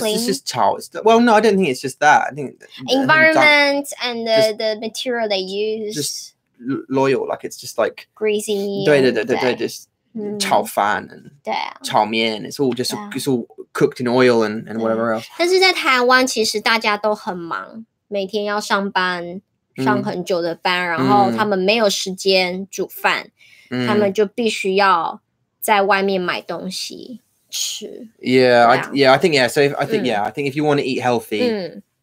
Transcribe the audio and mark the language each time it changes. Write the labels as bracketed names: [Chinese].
[English] Well, it's just chow. Well, no, I don't think it's just that. I think environment and the material they use. Just loyal, like it's just like greasy. 对,just chow fan and chow mian. It's all just it's all cooked in oil and whatever else. [Chinese] 但是在台湾其实大家都很忙, 每天要上班, 上很久的班，然后他们没有时间煮饭，他们就必须要在外面买东西吃。 [English] I think if you want to eat healthy,